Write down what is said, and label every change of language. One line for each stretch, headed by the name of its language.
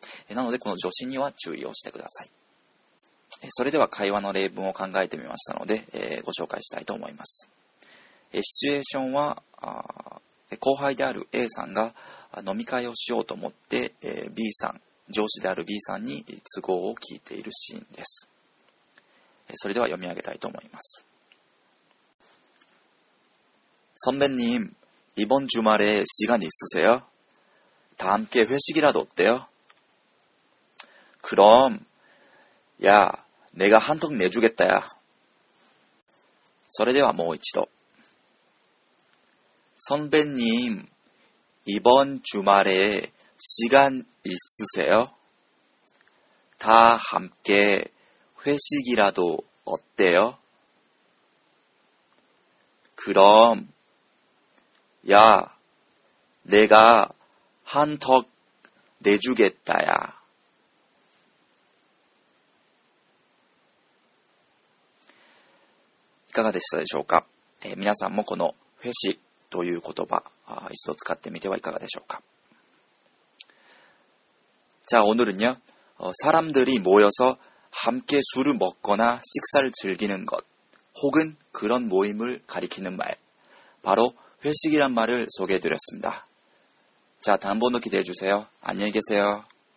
Japanese: なので、この助詞には注意をしてください。それでは会話の例文を考えてみましたので、ご紹介したいと思います。シチュエーションは、後輩である A さんが飲み会をしようと思って、B さん、上司である B さんに都合を聞いているシーンです。それでは読み上げたいと思います。
Korean: 선배님、이번주말에시간있으세요? 다함께회식이라도어때요? 그럼,야,내가한턱내주겠다야.
Japanese: それではもう一度。
Korean: 선배님,이번주말에시간있으세요? 다함께회식이라도어때요? 그럼,야,내가한턱내주겠다야.
Japanese: いかがでしたでしょうか?皆さんもこの회시という言葉、一度使ってみてはいかがでしょうか?
Korean: 자,오늘은요,사람들이모여서함께술을먹거나식사를즐기는것혹은그런모임을가리키는말바로회식이란말을소개해드렸습니다. 자, 다음 번호 기대해 주세요. 안녕히 계세요.